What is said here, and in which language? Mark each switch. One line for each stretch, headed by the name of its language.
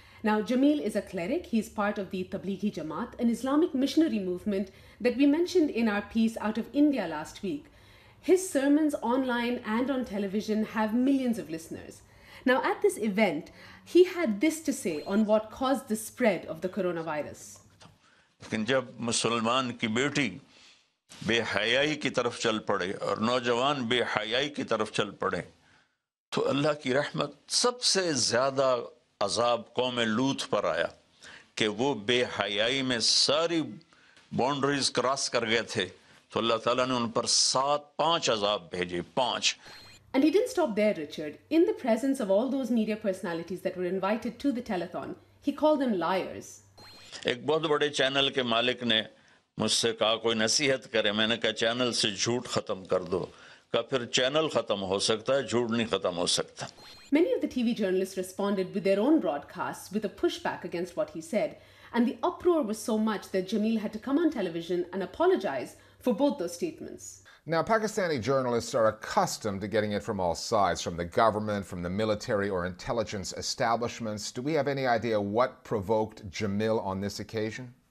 English: Now, Jamil is a cleric. He's part of the Tablighi Jamaat, an Islamic missionary movement that we mentioned in our piece Out of India last week. His sermons online and on television have millions of listeners. Now, at this event, he had this to say on what caused the spread of the coronavirus.
Urdu: Punjab Musliman ki beti بے حیائی کی طرف چل پڑے اور نوجوان بے حیائی کی طرف چل پڑے تو اللہ کی رحمت سب سے زیادہ عذاب قوم لوط پر آیا کہ وہ بے حیائی میں ساری باؤنڈریز کراس کر گئے تھے تو اللہ تعالیٰ نے ان پر سات پانچ عذاب بھیجے پانچ
English: And he didn't stop there, Richard. In the presence of all those media personalities that were invited to the telethon, he called them liars.
Urdu: ایک بہت بڑے چینل کے مالک نے مجھ سے کہا کوئی نصیحت کرے میں نے کہا چینل سے جھوٹ ختم کر دو کہا پھر چینل ختم ہو سکتا ہے جھوٹ نہیں ختم ہو سکتا
English: Many of the TV journalists responded with their own broadcasts with a pushback against what he said and the uproar was so much that Jamil had to come on television and apologize for both those statements Now Pakistani journalists are accustomed to getting it from all sides from the government from the military or intelligence establishments do we have any idea what provoked Jamil on this occasion